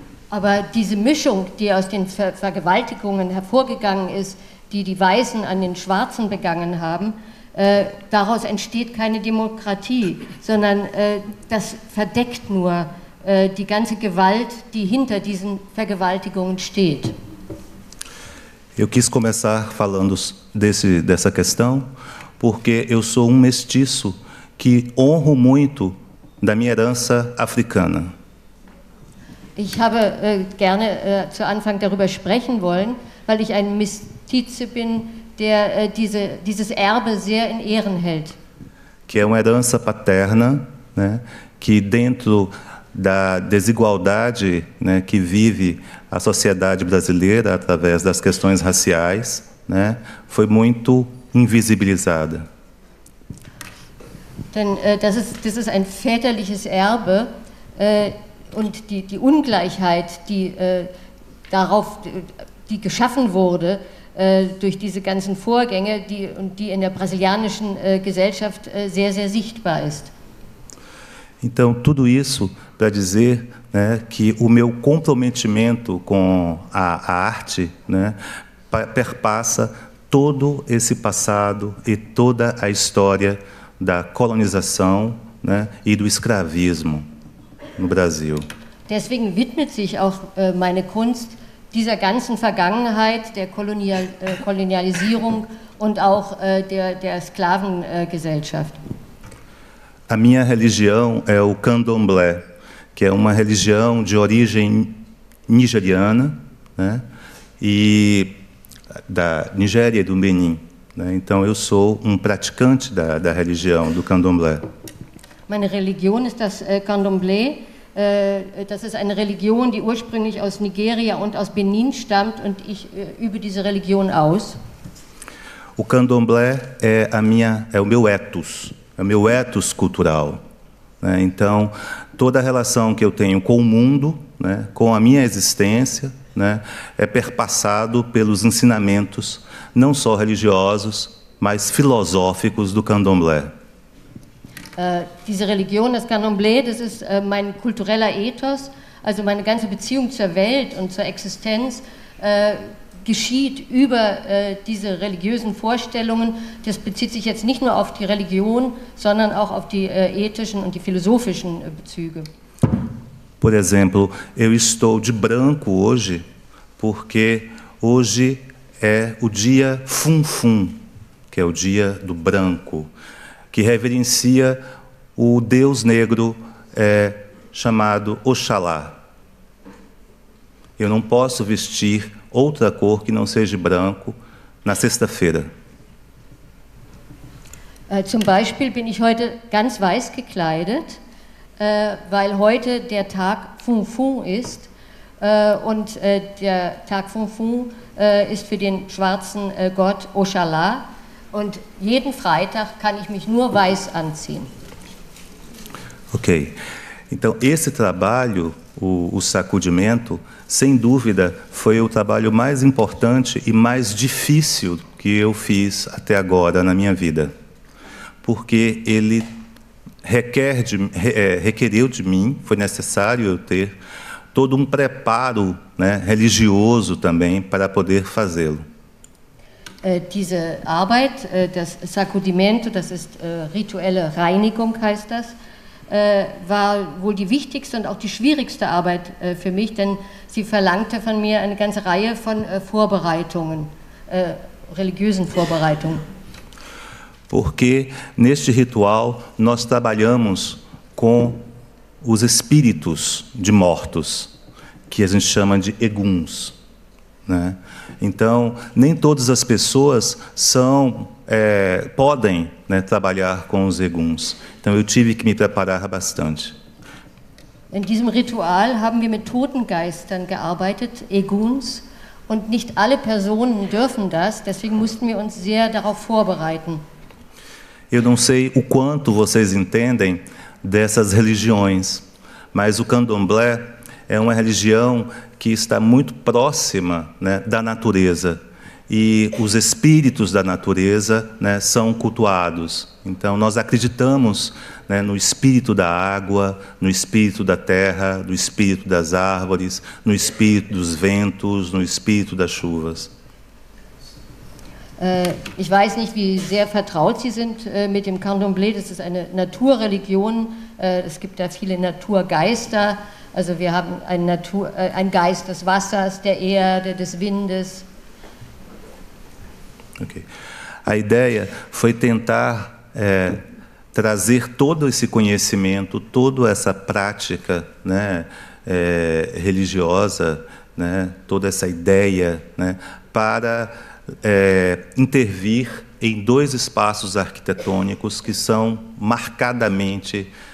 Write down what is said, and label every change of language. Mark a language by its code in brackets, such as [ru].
[de] Aber diese Mischung, die aus den Vergewaltigungen hervorgegangen ist, die Weißen an den Schwarzen begangen haben, daraus entsteht keine Demokratie, sondern das verdeckt nur die ganze Gewalt, die hinter diesen Vergewaltigungen steht. [pt] Eu quis começar falando dessa questão, porque eu sou um mestiço que honro muito da minha herança africana. [de] Ich habe gerne zu Anfang darüber sprechen wollen, weil ich ein Mestize bin, der dieses Erbe sehr in Ehren hält. [pt] Que é uma herança paterna, que dentro da desigualdade, que vive a sociedade brasileira através das questões raciais, foi muito invisibilizada. [de] Denn das ist ein väterliches Erbe und die Ungleichheit, die geschaffen wurde durch diese ganzen Vorgänge, die in der brasilianischen Gesellschaft sehr sehr sichtbar ist. [pt] Então tudo isso para dizer, que o meu comprometimento com a arte, perpassa todo esse passado e toda a história da colonização, e do escravismo no Brasil. [de] Deswegen widmet sich auch meine Kunst dieser ganzen Vergangenheit der Kolonialisierung und auch der Sklavengesellschaft. [pt] A minha religião é o Candomblé, que é uma religião de origem nigeriana, e da Nigéria e do Benin, Então eu sou um praticante da religião do Candomblé. [de] Meine Religion ist das Candomblé. Das ist eine Religion, die ursprünglich aus Nigeria und aus Benin stammt, und ich übe diese Religion aus. [pt] O Candomblé é o meu ethos, é o meu ethos cultural. Então, toda a relação que eu tenho com o mundo, com a minha existência, é perpassado pelos ensinamentos, não só religiosos, mas filosóficos do Candomblé. [de] Diese Religion, das Candomblé, das ist mein kultureller Ethos, also meine ganze Beziehung zur Welt und zur Existenz geschieht über diese religiösen Vorstellungen. Das bezieht sich jetzt nicht nur auf die Religion, sondern auch auf die ethischen und die philosophischen Bezüge. [pt] Por exemplo, eu estou de branco hoje, porque hoje é o dia Funfun, que é o dia do branco, que reverencia o Deus negro chamado Oxalá. Eu não posso vestir outra cor que não seja branco na sexta-feira. [de] Zum Beispiel bin ich heute ganz weiß gekleidet, weil heute der Tag Funfun ist und der Tag Funfun ist für den schwarzen Gott Oxalá und jeden Freitag kann ich mich nur weiß anziehen. Okay. [pt] Então esse trabalho, o sacudimento, sem dúvida, foi o trabalho mais importante e mais difícil que eu fiz até agora na minha vida. Porque ele requereu de mim, foi necessário eu ter todo um preparo, né, religioso também para poder fazê-lo. [de] Diese Arbeit, das Sacudimento, das ist rituelle Reinigung, heißt das, war wohl die wichtigste und auch die schwierigste Arbeit für mich, denn sie verlangte von mir eine ganze Reihe von Vorbereitungen, religiösen Vorbereitungen. [pt] Porque neste ritual nós trabalhamos com os espíritos de mortos, que a gente chama de eguns, né? Então, nem todas as pessoas são, podem, né, trabalhar com os eguns. Então, eu tive que me preparar bastante. [de] In diesem Ritual haben wir mit toten Geistern gearbeitet, eguns, und nicht alle Personen dürfen das, deswegen mussten wir uns sehr darauf vorbereiten. [pt] Eu não sei o quanto vocês entendem dessas religiões, mas o candomblé é uma religião que está muito próxima, né, da natureza. E os espíritos da natureza, né, são cultuados. Então, nós acreditamos, né, no espírito da água, no espírito da terra, no espírito das árvores, no espírito dos ventos, no espírito das chuvas. [de] Ich weiß nicht, wie sehr vertraut Sie sind mit dem Candomblé. Das ist eine Naturreligion. Es gibt da viele Naturgeister. Also wir haben einen Geist des Wassers, der Erde, des Windes. Okay. [pt] A ideia foi tentar trazer todo esse conhecimento, toda essa prática, né, religiosa, né, toda essa ideia, né, para intervir em dois espaços arquitetônicos que são marcadamente